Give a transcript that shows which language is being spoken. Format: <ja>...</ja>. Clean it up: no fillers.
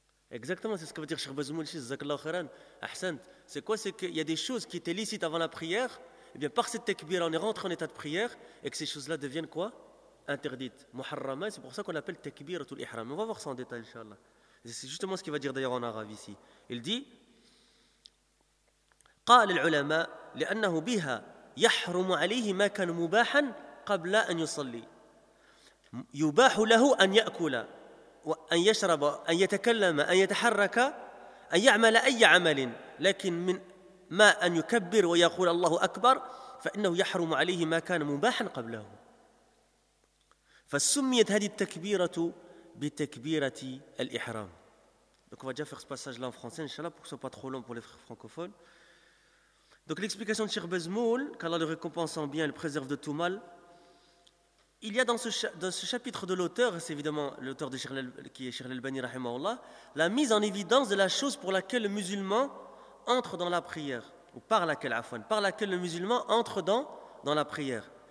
<fr>Exactement, c'est ce que veut dire Cheikh Bezmoul, Zakallahu Khairan, Ahsant. C'est quoi ? C'est qu'il y a des choses qui étaient licites avant la prière, et bien par cette takbira, on est rentré en état de prière, et que ces choses-là deviennent quoi ? Interdites. Muharrama, c'est pour ça qu'on appelle takbira tout l'ihram. On va voir ça en détail, Inch'Allah. C'est justement ce qu'il va dire d'ailleurs en arabe ici. Il dit</fr> <ar>قال العلماء لأنه بها يحرم عليه ما كان مباحا قبل أن يصلي يباح له أن يأكل وأن يشرب أن يتكلم أن يتحرك أن يعمل أي عمل لكن من ما أن يكبر ويقول الله أكبر فإنه يحرم عليه ما كان مباحا قبله فسميت هذه التكبيرة بتكبيرة الإحرام</ar> <fr>Donc on va déjà faire ce passage-là en français, inchallah, pour que ce soit pas trop long pour les frères francophones. Donc l'explication de Cheikh Bezmoul, qu'Allah le récompense en bien et le préserve de tout mal, il y a dans ce chapitre de l'auteur, c'est évidemment l'auteur de Cheikh Al-Albani, rahimahullah, la mise en évidence de la chose pour laquelle le musulman entre dans la prière, ou par laquelle le musulman entre dans la prière.</fr>